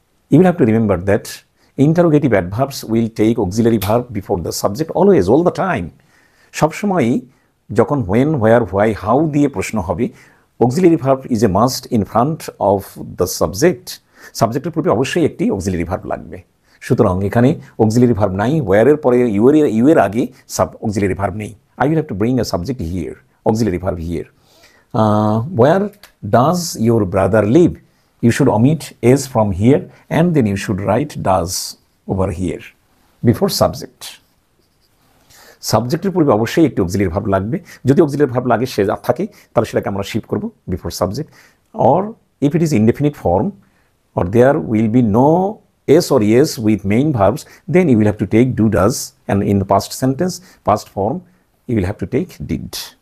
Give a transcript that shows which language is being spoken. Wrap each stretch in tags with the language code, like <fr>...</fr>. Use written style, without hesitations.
<en>you will have to remember that interrogative adverbs will take auxiliary verb before the subject always, all the time,</en> <bn>সবসময়ই, যখন,</bn> <en>when, where, why, how দিয়ে প্রশ্ন হবে, auxiliary verb is a must in front of the subject,</en> <bn>সাবজেক্টের পূর্বে অবশ্যই একটি auxiliary verb লাগবে। সুতরাং এখানে অক্সিলারি ভার্ব নাই, ওয়্যারের পরে ইউয়ের আগে অক্সিলারি ভার্ব নেই।</bn> <en>I will have to bring a subject here, auxiliary verb here. Where does your brother live? You should omit s from here and then you should write does over here before subject.</en> <bn>সাবজেক্টের পূর্বে অবশ্যই একটি auxiliary verb লাগবে, যদি auxiliary verb লাগে সে থাকে তাহলে সেটাকে আমরা শিফট করব</bn> <en>Before subject. Or if it is indefinite form or there will be no s or yes with main verbs then you will have to take do does and in past sentence past form you will have to take did.</en>